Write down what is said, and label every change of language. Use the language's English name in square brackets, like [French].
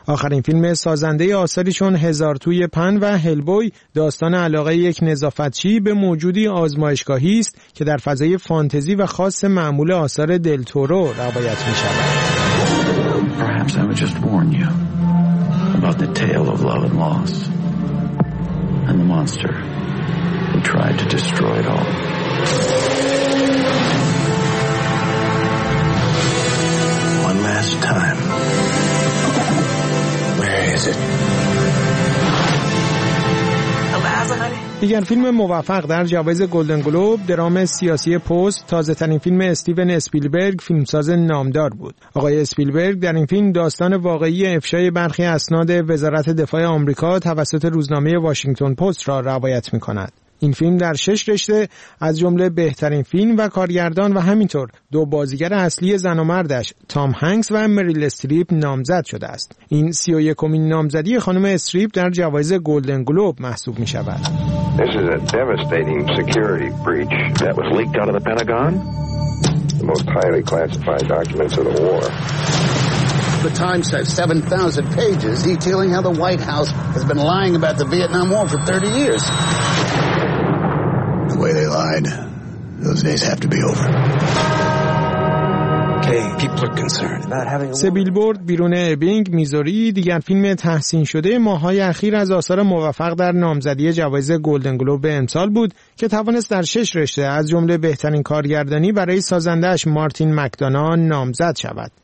[Persian] آخرین فیلم سازنده آثاری چون هزار توی پن و هلبوی داستان علاقه یک نظافتچی به موجودی آزمایشگاهی است که در فضای فانتزی و خاص معمول آثار دل تورو روایت می‌شود. [English] About the tale of love and loss and the monster who tried to destroy it all. One last time. Where is it? [Persian] دیگر فیلم موفق در جوایز گلدن گلوب، درام سیاسی پست، تازه‌ترین فیلم استیون اسپیلبرگ فیلمساز نامدار بود. آقای اسپیلبرگ در این فیلم داستان واقعی افشای برخی اسناد وزارت دفاع آمریکا توسط روزنامه واشنگتن پست را روایت می‌کند. این فیلم در 6 رشته از جمله بهترین فیلم و کارگردان و همینطور دو بازیگر اصلی زن و مردش تام هنگس و مریل استریپ نامزد شده است. این 31مین نامزدی خانم استریپ در جوایز گلدن گلوب محسوب می شود. [English] This is a devastating security breach that was leaked out of the Pentagon. The most highly classified documents of the war. The Times has 7,000 pages detailing how the White House has been lying about the Vietnam War for 30 years. The way they lied, those days have to be over. [Persian] سه بیلبورد بیرون ابینگ میزوری دیگر فیلم تحسین شده ماهای اخیر از آثار موفق در نامزدی جوایز گلدن گلوب به امسال بود که توانست در 6 رشته از جمله بهترین کارگردانی برای سازندهش مارتین مکدانا نامزد شود.